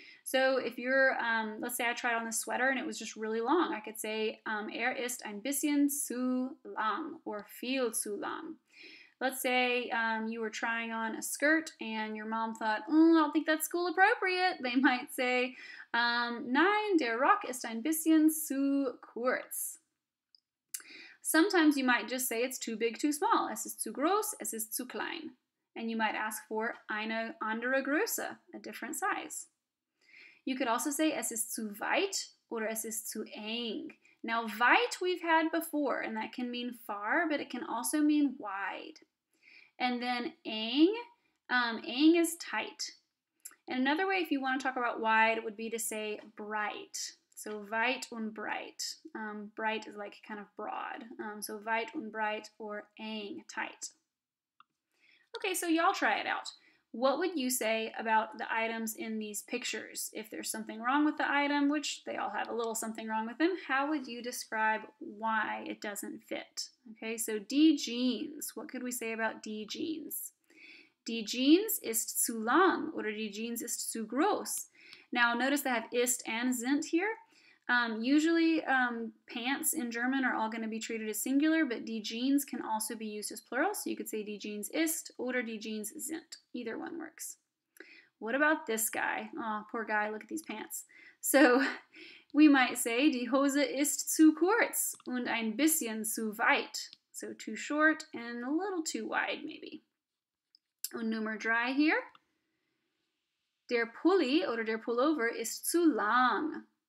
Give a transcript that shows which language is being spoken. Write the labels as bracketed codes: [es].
[en] So if you're, let's say I tried on this sweater and it was just really long, I could say [de] ist ein bisschen zu lang [en] or [de] viel zu lang. [en] Let's say you were trying on a skirt and your mom thought, I don't think that's school appropriate. They might say, [de] nein, der Rock ist ein bisschen zu kurz. [en] Sometimes you might just say it's too big, too small. [de] Es ist zu groß, es ist zu klein. [en] And you might ask for [de] eine andere Größe, [en] a different size. You could also say [de] es ist zu weit or es ist zu eng. [en] Now, weit we've had before, and that can mean far, but it can also mean wide. And then eng, eng is tight. And another way, if you want to talk about wide, would be to say breit. [de] So weit und breit. [en] Breit is like kind of broad. [de] So weit und breit [en] or eng, tight. Okay, so y'all try it out. What would you say about the items in these pictures? If there's something wrong with the item, which they all have a little something wrong with them, how would you describe why it doesn't fit? Okay, so D jeans. What could we say about D jeans? [de] D jeans ist zu lang oder D jeans ist zu groß. [en] Now notice they have ist and sind here. Usually pants in German are all going to be treated as singular, but die Jeans can also be used as plural. So you could say [de] die Jeans ist oder die Jeans sind. [en] Either one works. What about this guy? Oh, poor guy. Look at these pants. So we might say [de] die Hose ist zu kurz und ein bisschen zu weit. [en] So too short and a little too wide maybe. [de] Und Nummer drei here. Der Pulli oder der Pullover ist zu lang.